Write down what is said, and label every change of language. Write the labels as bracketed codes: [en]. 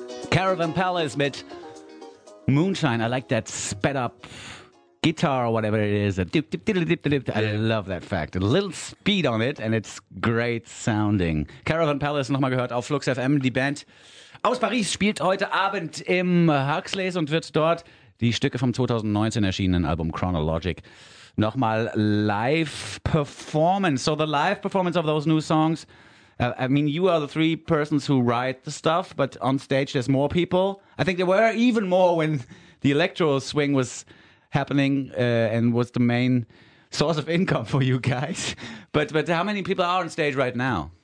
[de] Caravan Palace mit Moonshine. [en] I like that sped up guitar or whatever it is. I love that fact. A little speed on it and it's great sounding. [de] Caravan Palace, nochmal gehört auf Flux FM. Die Band aus Paris spielt heute Abend im Huxley's und wird dort die Stücke vom 2019 erschienenen Album Chronologic nochmal live performen. [en] So the live performance of those new songs, I mean, you are the three persons who write the stuff, but on stage there's more people. I think there were even more when the electro swing was happening and was the main source of income for you guys. But how many people are on stage right now?